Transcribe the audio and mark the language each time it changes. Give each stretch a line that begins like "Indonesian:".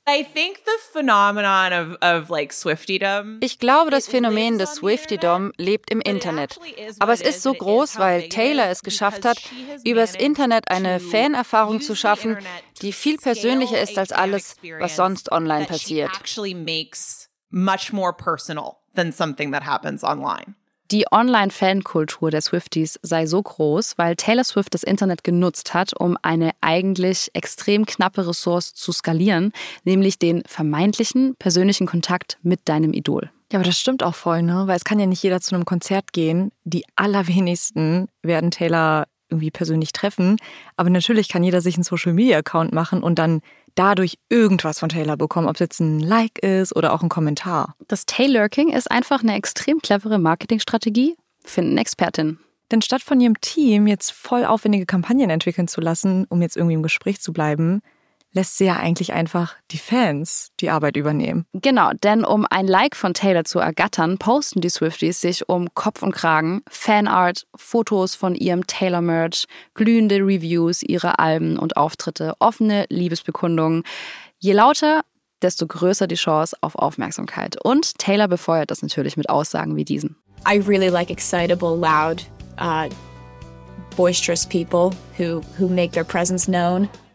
German: Ich glaube, das Phänomen des Swiftiedom lebt im Internet. Aber es ist so groß, weil Taylor es geschafft hat, übers Internet eine Fanerfahrung zu schaffen, die viel persönlicher ist als alles, was sonst online passiert.
English: Much more personal than something that happens online.
German: Die Online-Fankultur der Swifties sei so groß, weil Taylor Swift das Internet genutzt hat, um eine eigentlich extrem knappe Ressource zu skalieren, nämlich den vermeintlichen persönlichen Kontakt mit deinem Idol. Ja, aber das stimmt auch voll, ne? Weil es kann ja nicht jeder zu einem Konzert gehen. Die allerwenigsten werden Taylor irgendwie persönlich treffen. Aber natürlich kann jeder sich einen Social-Media-Account machen und dann dadurch irgendwas von Taylor bekommen, ob es jetzt ein Like ist oder auch ein Kommentar. Das Taylorking ist einfach eine extrem clevere Marketingstrategie, finden Expertinnen. Denn statt von ihrem Team jetzt voll aufwendige Kampagnen entwickeln zu lassen, um jetzt irgendwie im Gespräch zu bleiben, lässt sie ja eigentlich einfach die Fans die Arbeit übernehmen. Genau, denn um ein Like von Taylor zu ergattern, posten die Swifties sich um Kopf und Kragen, Fanart, Fotos von ihrem Taylor-Merch, glühende Reviews ihrer Alben und Auftritte, offene Liebesbekundungen. Je lauter, desto größer die Chance auf Aufmerksamkeit. Und Taylor befeuert das natürlich mit Aussagen wie diesen.
English: I really like excitable, loud, boisterous people who make their presence known.